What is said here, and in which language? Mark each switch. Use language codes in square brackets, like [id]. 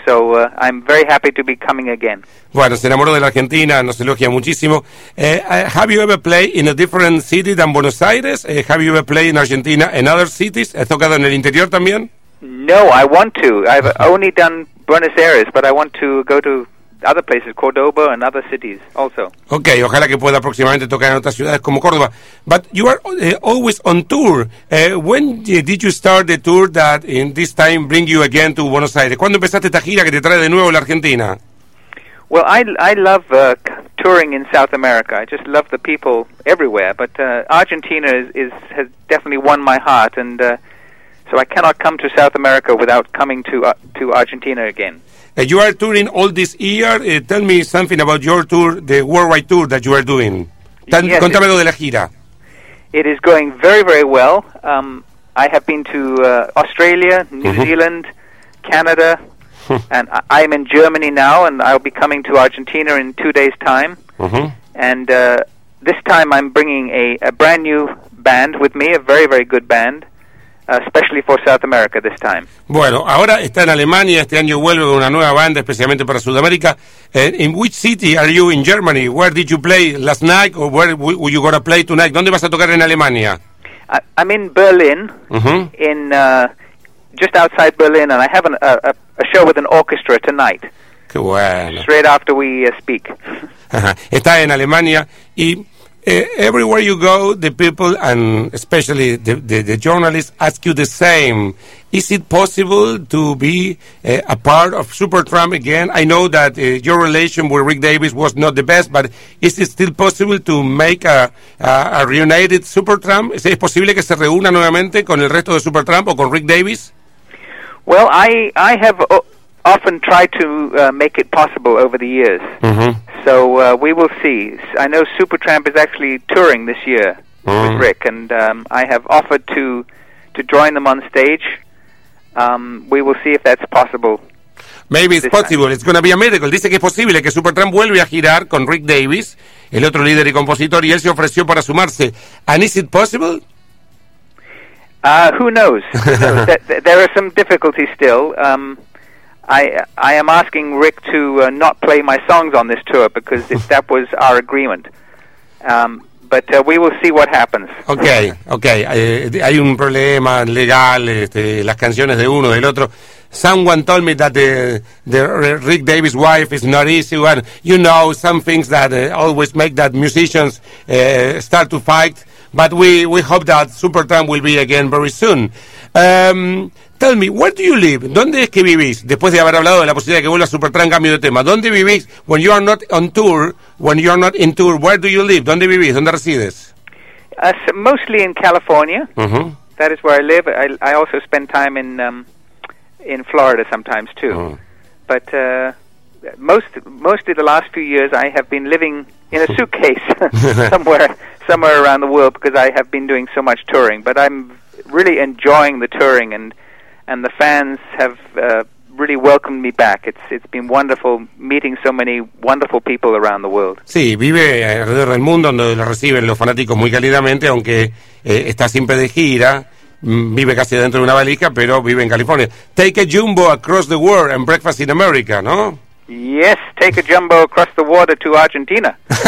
[en] So I'm very happy to be coming again. [es] Bueno, se enamoró de la Argentina, nos elogia muchísimo. [en] Have you ever played in a different city than Buenos Aires? Have you ever played in Argentina in other cities? [es] ¿Has tocado en el interior también? [en] No, I want to. I've only done Buenos Aires, but I want to go to other places, Cordoba and other cities also. [es] Okay, ojalá que pueda próximamente tocar en otras ciudades como Córdoba. [en] But you are always on tour. When did you start the tour that in this time bring you again to Buenos Aires? [es] ¿Cuándo empezaste esta gira que te trae de nuevo a la Argentina? [en] Well, I love touring in South America. I just love the people everywhere. But Argentina has definitely won my heart. And so I cannot come to South America without coming to Argentina again. You are touring all this year. Tell me something about your tour, the worldwide tour that you are doing. [es] Contame lo de la gira. [en] It is going very, very well. I have been to Australia, New Zealand, Canada, and I'm in Germany now, and I'll be coming to Argentina in 2 days' time. And this time I'm bringing a brand new band with me, a very, very good band. Especially for South America this time. [es] Bueno, ahora está en Alemania, este año vuelve con una nueva banda especialmente para Sudamérica. [en] In which city are you in Germany? Where did you play last night or where were you going to play tonight? [es] ¿Dónde vas a tocar en Alemania? [en] I'm in Berlin, in just outside Berlin, and I have a show with an orchestra tonight. [es] Qué bueno. [en] Straight after we speak. [es] Está en Alemania y [en] everywhere you go, the people, and especially the journalists, ask you the same. Is it possible to be a part of Supertramp again? I know that your relation with Rick Davies was not the best, but is it still possible to make a reunited Supertramp? [es] ¿Es posible que se reúna nuevamente con el resto de Supertramp o con Rick Davies? [en] Well, I have often tried to make it possible over the years. So we will see. I know Supertramp is actually touring this year with Rick, and I have offered to join them on stage. We will see if that's possible. Maybe it's possible. Time. It's going to be a miracle. [es] Dice que es posible que Supertramp vuelva a girar con Rick Davies, el otro líder y compositor, y él se ofreció para sumarse. [en] And is it possible? Who knows? there are some difficulties still. I am asking Rick to not play my songs on this tour because that was our agreement. But we will see what happens. Okay. [es] Hay un problema legal, las canciones de uno, del otro. [en] Someone told me that the Rick Davies' wife is not easy one. You know, some things that always make that musicians start to fight. But we hope that Supertramp will be again very soon. Tell me, where do you live? [es] ¿Dónde es que vivís? Después de haber hablado de la posibilidad de que vuelva Supertramp, cambio de tema. ¿Dónde vivís? [en] When you are not on tour, when you are not in tour, where do you live? [es] ¿Dónde vivís? ¿Dónde resides? [en] Mostly in California. That is where I live. I also spend time in Florida sometimes too. But mostly the last few years I have been living in a suitcase somewhere around the world because I have been doing so much touring. But I'm really enjoying the touring and the fans have really welcomed me back. It's been wonderful meeting so many wonderful people around the world. [es] Sí, vive alrededor del mundo donde lo reciben los fanáticos muy cálidamente, aunque está siempre de gira, vive casi dentro de una valija, pero vive en California. [en] Take a jumbo across the world and breakfast in America, ¿no? Yes, take a jumbo across the water to Argentina.